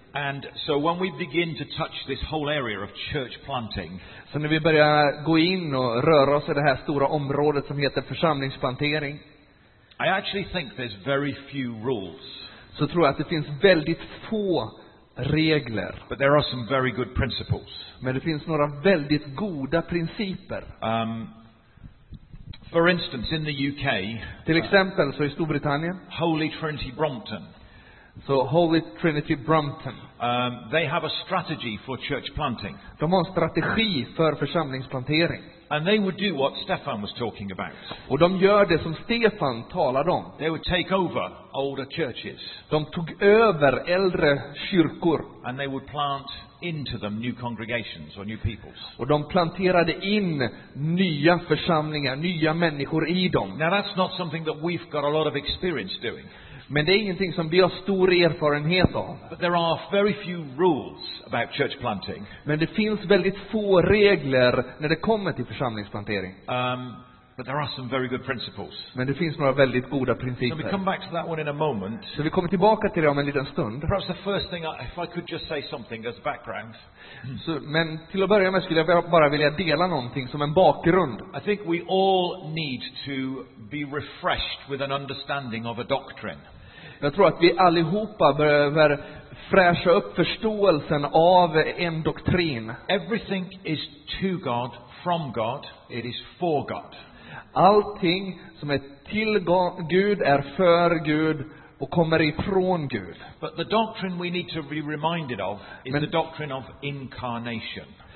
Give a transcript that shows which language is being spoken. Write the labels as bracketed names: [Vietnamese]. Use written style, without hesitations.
[English] And so when we begin to touch this whole area of church planting, [Swedish] så när vi börjar gå in och röra oss i det här stora området som heter församlingsplantering, [English] I actually think there's very few rules. [Swedish] Så tror jag att det finns väldigt få regler. [English] But there are some very good principles. [Swedish] Men det finns några väldigt goda principer. [English] For instance, in the UK, [Swedish] till exempel så i Storbritannien, [English] Holy Trinity Brompton. [Swedish] So Holy Trinity Brompton. [English] They have a strategy for church planting. [Swedish] De har en strategi för församlingsplantering. [English] And they would do what Stefan was talking about. [Swedish] Och de gör det som Stefan talade om. [English] They would take over older churches. [Swedish] De tog över äldre kyrkor. [English] And they would plant into them new congregations or new peoples. [Swedish] Och de planterade in nya församlingar, nya människor i dem. [English] Now that's not something that we've got a lot of experience doing. [Swedish] Men det är ingenting som vi har stor erfarenhet av. [English] But there are very few rules about church planting. [Swedish] Men det finns väldigt få regler när det kommer till församlingsplantering. [English] But there are some very good principles. [Swedish] Men det finns några väldigt goda principer. [English] So we come back to that one in a moment. [Swedish] Så vi kommer tillbaka till det om en liten stund. [English] Perhaps the first thing, if I could just say something as background. [Swedish] Men till att börja med skulle jag bara vilja dela någonting som en bakgrund. [English] I think we all need to be refreshed with an understanding of a doctrine. [Swedish] Jag tror att vi allihopa behöver fräscha upp förståelsen av en doktrin. [English] Everything is to God. From God, it is for God. [Swedish] Allting som är till Gud är för Gud och kommer ifrån Gud. [English] But the doctrine we need to be reminded of is the doctrine of incarnation.